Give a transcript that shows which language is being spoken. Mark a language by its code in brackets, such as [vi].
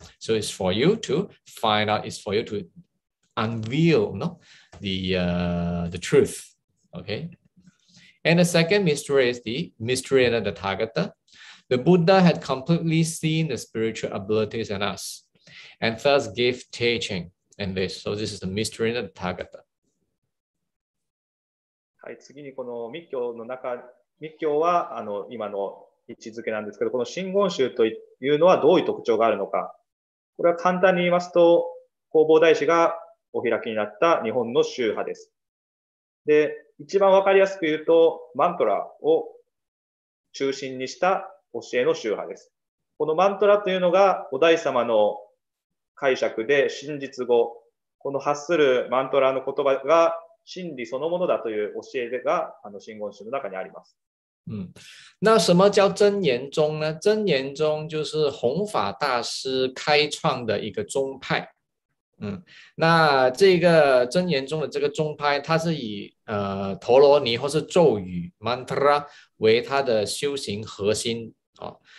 [en] So it's for you to find out. It's for you to unveil, no, the truth. Okay. And the second mystery is the mystery of the Tathagata. The Buddha had completely seen the spiritual abilities in us and thus gave teaching in this. So this is the mystery of the Tathagata. [ja] はい、次にこの密教の中、密教は今の位置づけなんですけど、この真言宗というのはどういう特徴があるのか。これは簡単に言いますと、弘法大師がお開きになった日本の宗派です。で、一番わかりやすく言うと、マントラを中心にした教えの宗派です。このマントラというのが、お大師様の解釈で真実語、この発するマントラの言葉が真理そのものだという教えが、真言宗の中にあります。 [zh] 那什么叫真言宗呢？真言宗就是弘法大师开创的一个宗派。那这个真言宗的这个宗派，它是以陀罗尼或是咒语 mantra 为它的修行核心啊。